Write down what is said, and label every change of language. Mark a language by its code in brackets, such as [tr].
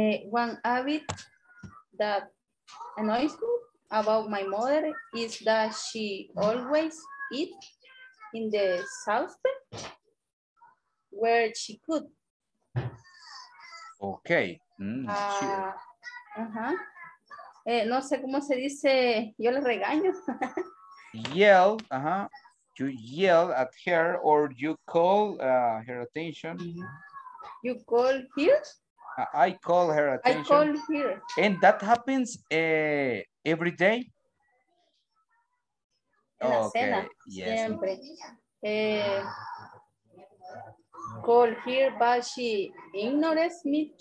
[en] One habit that annoys me about my mother is that she always eats in the saucepan where she could. Okay. [es] No sé cómo se dice, yo le regaño. [en] Yell, uh-huh. You yell at her or you call her attention. Mm-hmm. You call here? I call her attention. I call here. And that happens every day? [es] En la cena, [en] yes. Siempre. Call here, but she ignores me.